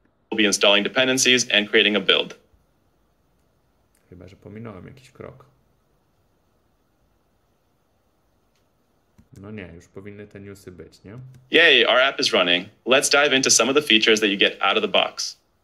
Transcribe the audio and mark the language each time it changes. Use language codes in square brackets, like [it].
[en] We'll be installing dependencies and creating a build. [pl] Chyba, że pominąłem jakiś krok. No nie, już powinny te newsy być, nie? [en] Yay, our app is running. Let's dive into some of the features that you get out of the box.